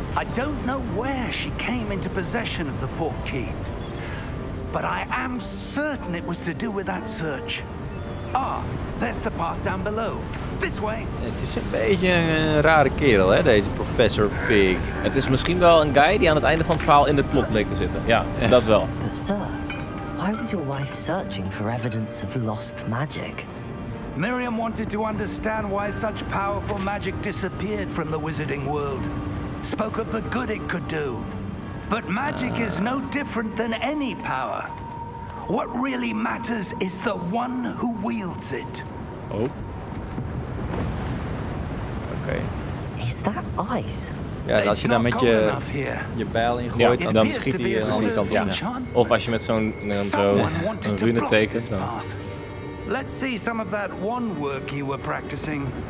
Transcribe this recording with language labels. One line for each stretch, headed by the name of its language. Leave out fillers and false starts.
English: I don't know where she came into possession of the portkey. But I am certain it was to do with that search. Ah, there's the path down below. This way.
Dutch: Het is een beetje een rare kerel, hè, deze professor Fig. Het is misschien wel een guy die aan het einde van het verhaal in de plot bleek te zitten. Ja, dat wel.
English: But sir, why was your wife searching for evidence of lost magic? Miriam wanted to understand why such powerful magic disappeared from the wizarding world. Spoke of the good it could do. But magic is no different than any power. What really matters is the one who wields it. Oh. Okay. Is that ice?
Dutch: Ja, als je daar met je bijl in gooit, dan schiet hij aan die kant van. Of als je met zo'n rune tekent, dan.
English: Let's see some of that one work you were practicing.